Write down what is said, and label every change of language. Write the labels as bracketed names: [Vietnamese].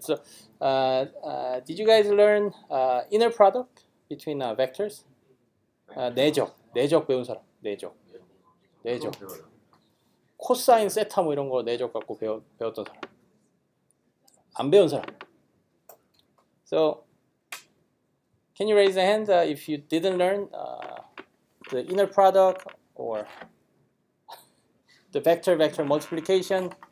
[English] So, did you guys learn inner product between vectors? [Korean] 내적, 내적 배운 사람, 내적, 내적. 코사인, 세타 뭐 이런 거 내적 갖고 배웠던 사람. 안 배운 사람. [English] So, can you raise a hand if you didn't learn the inner product or the vector-vector multiplication?